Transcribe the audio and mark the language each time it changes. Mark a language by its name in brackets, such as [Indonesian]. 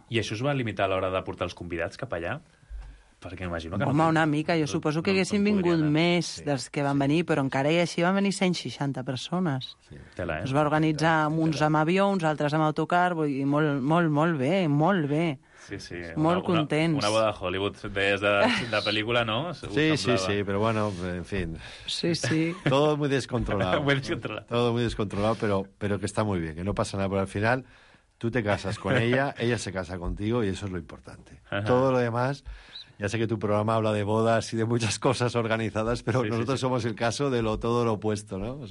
[Spanish] ¿Y eso os va a limitar a la hora de portar los convidados cap allá? [Catalan] Perquè m'imagino que... Home, no, una mica. Jo suposo que haguessin vingut més dels que van venir, però encara i així van venir 160 persones. Sí. Tela, Es va organitzar uns amb avió, uns altres amb autocar, vull dir, molt, molt, molt bé, molt bé. Sí, sí. Molt contents. Una boda de Hollywood, deies, de pel·lícula, no? Sí, sí, sí, però bueno, en fin. Sí, sí. [Spanish] Todo muy descontrolado. Muy descontrolado. Todo muy descontrolado, pero que está muy bien, que no pasa nada. Pero al final, tú te casas con ella, ella se casa contigo, y eso es lo importante. Ajá. Todo lo demás... Ya sé que tu programa habla de bodas y de muchas cosas organizadas, pero sí, nosotros sí, sí. Somos el caso de todo lo opuesto, ¿no? O